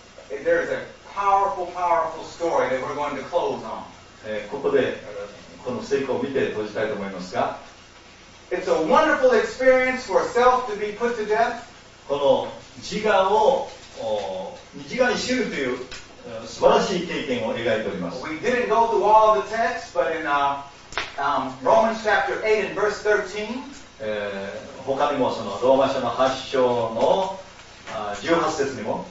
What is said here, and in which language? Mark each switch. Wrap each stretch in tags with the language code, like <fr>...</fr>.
<en>There is a powerful, powerful story that we're going to close on.</en> <ja>ここでこの聖句を見て閉じたいと思いますが、</ja> <en>It's a wonderful experience for self to be put to death.</en> <ja>この自我を自我に死ぬという素晴らしい経験を描いております。</ja> <en>We didn't go through all of the text, but in Romans chapter 8 and verse 13,</en> <ja>他にもそのローマ書の8章の18節にも、</ja>